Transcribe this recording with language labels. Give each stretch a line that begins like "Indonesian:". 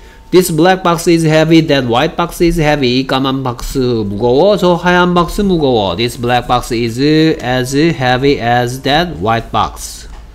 English: This black box is heavy, that white box is heavy.
Korean: 까만 박스 무거워, 저 하얀 박스 무거워.
English: This black box is as heavy as that white box.